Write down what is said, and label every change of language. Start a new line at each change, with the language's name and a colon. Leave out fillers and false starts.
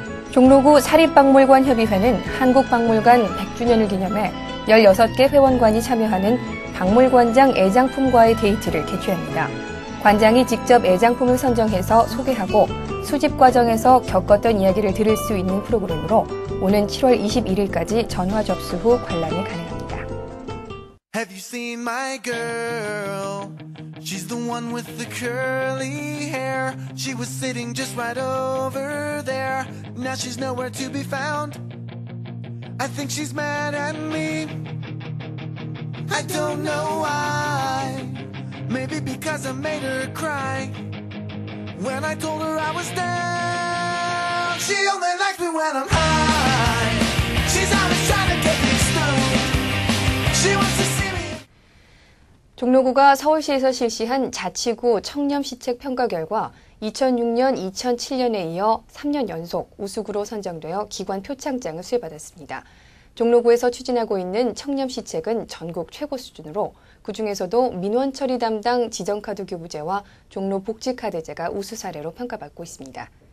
Korean: 종로구 사립박물관협의회는 한국박물관 100주년을 기념해 16개 회원관이 참여하는 박물관장 애장품과의 데이트를 개최합니다. 관장이 직접 애장품을 선정해서 소개하고 수집 과정에서 겪었던 이야기를 들을 수 있는 프로그램으로 오는 7월 21일까지 전화 접수 후 관람이 가능합니다.
English: Have you seen my girl? She's the one with the curly hair. She was sitting just right over there. Now she's nowhere to be found. I think she's mad at me. I don't know why. Maybe because I made her cry. When I told her I was down, she only likes me when I'm high. She's always trying to get me stoned. She wants to see me.
Korean: 종로구가 서울시에서 실시한 자치구 청렴 시책 평가 결과 2006년, 2007년에 이어 3년 연속 우수구로 선정되어 기관 표창장을 수여받았습니다. 종로구에서 추진하고 있는 청렴시책은 전국 최고 수준으로 그중에서도 민원처리 담당 지정카드 교부제와 종로복지카드제가 우수 사례로 평가받고 있습니다.